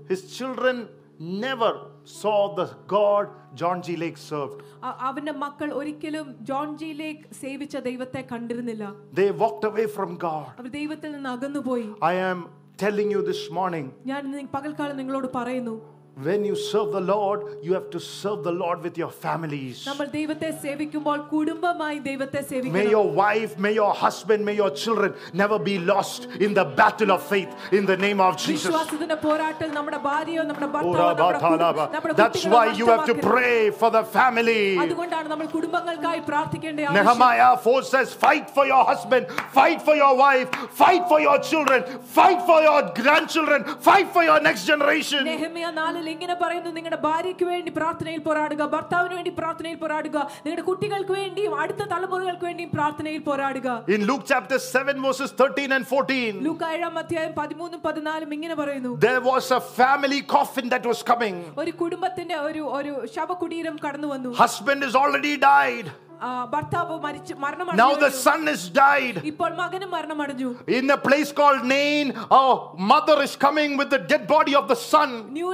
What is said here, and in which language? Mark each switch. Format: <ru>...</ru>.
<en>His children never saw the God John G. Lake served.</en> <ml>അവന്റെ മക്കൾ ഒരിക്കലും John G ലേക്ക് സേവിച്ച ദൈവത്തെ കണ്ടിരുന്നില്ല.</ml> <en>They walked away from God.</en> <ml>അവർ ദൈവത്തിൽ നിന്ന് അകന്നു പോയി.</ml> <en>I am telling you this morning.</en> <ml>ഞാൻ പകൽക്കാലം നിങ്ങളോട് പറയുന്നു.</ml> <en>When you serve the Lord, you have to serve the Lord with your families.</en> <ml>നമ്മൾ ദൈവത്തെ സേവിക്കുമ്പോൾ കുടുംബമായി ദൈവത്തെ സേവിക്കണം.</ml> <en>May your wife, may your husband, may your children never be lost in the battle of faith in the name of Jesus.</en> <ml>വിശ്വാസത്തിന്റെ പോരാട്ടം നമ്മുടെ ഭാര്യയോ നമ്മുടെ ഭർത്താവോ നമ്മുടെ കുട്ടികളോ.</ml> <en>That's why you have to pray for the family.</en> <ml>അതുകൊണ്ടാണ് നമ്മൾ കുടുംബങ്ങൾക്കായി പ്രാർത്ഥിക്കേണ്ടത്.</ml> <en>Nehemiah 4 says, fight for your husband, fight for your wife, fight for your children, fight for your grandchildren, fight for your next generation.</en> <ml>Nehemiah 4 ഇങ്ങനെ പറയുന്നു, നിങ്ങളുടെ ഭാര്യയ്ക്ക് വേണ്ടി പ്രാർത്ഥനയിൽ പോരാടുക, ഭർത്താവിന് വേണ്ടി പ്രാർത്ഥനയിൽ പോരാടുക, നിങ്ങളുടെ കുട്ടികൾക്ക് വേണ്ടിയും അടുത്ത തലമുറകൾക്ക് വേണ്ടിയും പ്രാർത്ഥനയിൽ പോരാടുക.</ml> <en>In Luke chapter 7 verses 13 and 14.</en> <ml>ലൂക്കായുടെ അധ്യായം 13 14 ഇങ്ങനെ പറയുന്നു.</ml> <en>There was a family coffin that was coming.</en> <ml>ഒരു കുടുംബത്തിന്റെ ഒരു ഒരു ശവകുടീരം കടന്നു വന്നു.</ml> <en>Husband is already died. Now the son has died. In a place called Nain, a mother is coming with the dead body of the son.</en>